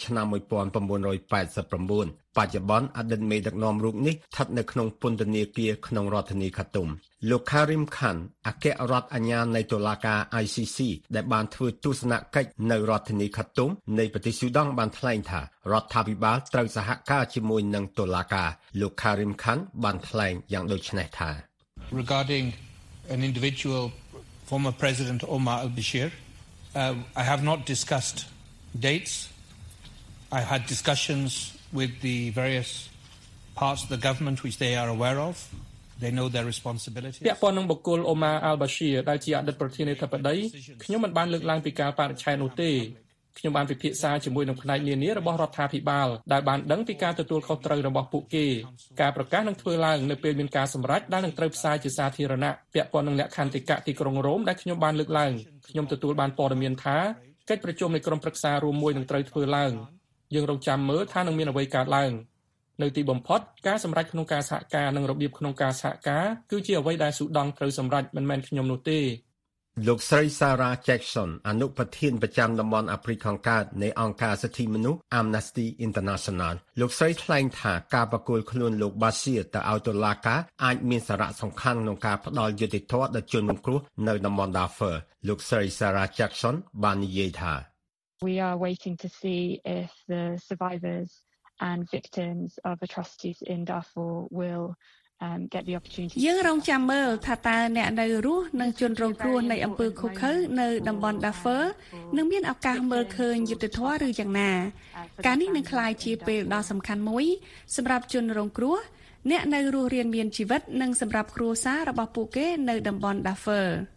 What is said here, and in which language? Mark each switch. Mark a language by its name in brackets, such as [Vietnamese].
[Khmer] ឆ្នាំ1989បច្ចុប្បន្នអតីតមេដឹកនាំរូបនេះស្ថិតនៅក្នុងពន្ធនាគារក្នុងរដ្ឋធានីខាតុមលោកខារីមខាន់អគ្គរដ្ឋអញ្ញាណនៃតុលាការ ICC ដែលបានធ្វើទស្សនកិច្ចនៅរដ្ឋធានីខាតុមនៃប្រទេសស៊ូដង់បានថ្លែងថារដ្ឋាភិបាលត្រូវសហការជាមួយនឹងតុលាការលោកខារីមខាន់បានថ្លែងយ៉ាងដូចនេះថា [English] Regarding an individual former president Omar al-Bashir I have not discussed dates I had discussions with the various parts of the government which they are aware of they know their responsibilities [Khmer] ពាក់ព័ន្ធនឹងបុគ្គល Omar al-Bashir ដែលជាអតីតប្រធានាធិបតីខ្ញុំមិនបានលើកឡើងពីការបរិឆេទនោះទេខ្ញុំបានពិភាក្សាជាមួយនឹងផ្នែកនានារបស់រដ្ឋាភិបាលដែលបានដឹងពីការទទួលខុសត្រូវរបស់ពួកគេការប្រកាសនឹងធ្វើឡើងនៅពេលមានការសម្រេចដែលនឹងត្រូវផ្សាយជាសាធារណៈពាក់ព័ន្ធនឹងលក្ខន្តិកៈទីក្រុងរ៉ូមដែលខ្ញុំបានលើកឡើងខ្ញុំទទួលបានព័ត៌មានថាកិច្ចប្រជុំនៃក្រុមប្រឹក្សារួមមួយនឹងត្រូវធ្វើឡើង យើងរង់ចាំមើលថានឹងមានអ្វីកើតឡើងនៅទីបំផុតការសម្រេចក្នុងការសហការនិងរបៀបក្នុងការសហការគឺជាអ្វីដែលស៊ូដង់ត្រូវសម្រេចមិនមែនខ្ញុំនោះទេ លោកស្រីសារ៉ាជេកសុនអនុប្រធានប្រចាំតំបន់អាហ្វ្រិកខាងកើតនៃអង្គការសិទ្ធិមនុស្ស Amnesty International លោកស្រីថ្លែងថាការប្រគល់ខ្លួនលោកបាស៊ីទៅឲ្យតុលាការអាចមានសារៈសំខាន់ក្នុងការផ្ដល់យុត្តិធម៌ដល់ជនរងគ្រោះនៅតំបន់ Darfur លោកស្រីសារ៉ាជេកសុនបាននិយាយថា [English] We are waiting to see if the survivors and victims of atrocities in Darfur willwill get the opportunity [Khmer] យើងរងចាំមើលថាតើអ្នកនៅរស់នឹងជនរងគ្រោះនៅអំពើឃោឃៅនៅតំបន់ Darfur នឹងមានឱកាសមើលឃើញយុទ្ធធម៌ឬយ៉ាងណាការនេះនឹងក្លាយជាពេលដ៏សំខាន់មួយសម្រាប់ជនរងគ្រោះអ្នកនៅរស់រៀនមានជីវិតនិងសម្រាប់គ្រួសាររបស់ពួកគេនៅតំបន់ Darfur